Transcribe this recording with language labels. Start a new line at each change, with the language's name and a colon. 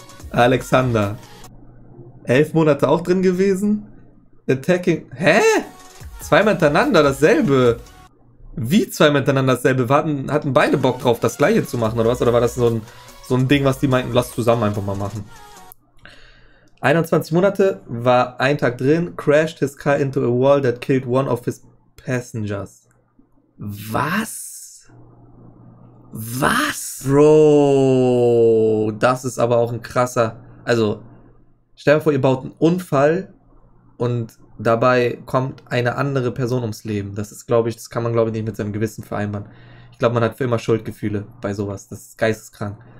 German: Alexander. 11 Monate auch drin gewesen. Attacking. Hä? Zweimal hintereinander dasselbe. Wie zweimal hintereinander dasselbe? Hatten beide Bock drauf, das gleiche zu machen oder was? Oder war das so ein Ding, was die meinten, lass zusammen einfach mal machen? 21 Monate, war ein Tag drin.
English: Crashed his car into a wall that killed one of his passengers.
German: Was? Was? Bro, das ist aber auch ein krasser. Also, stell dir vor, ihr baut einen Unfall und dabei kommt eine andere Person ums Leben. Das ist, glaube ich, das kann man, glaube ich, nicht mit seinem Gewissen vereinbaren. Ich glaube, man hat für immer Schuldgefühle bei sowas. Das ist geisteskrank.